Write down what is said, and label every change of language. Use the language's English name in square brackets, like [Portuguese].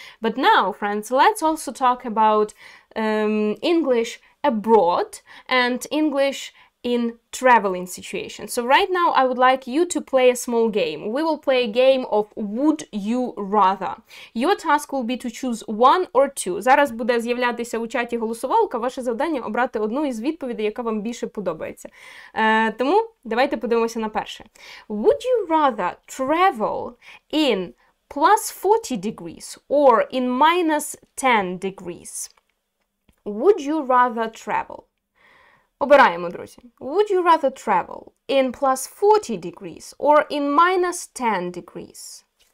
[English] But now, friends, let's also talk about English abroad and English in traveling situations. So right now I would like you to play a small game. We will play a game of would you rather. Your task will be to choose one or two. [Ukrainian] Зараз буде з'являтися у чаті голосувалка, ваше завдання обрати одну із відповідей, яка вам більше подобається. Тому давайте подивимося на перше. [English] Would you rather travel in plus 40 degrees or in minus 10 degrees? Would you rather travel? [Ukrainian] Обираємо, друзі. [English] Would you rather travel in plus 40 degrees or in minus 10 degrees?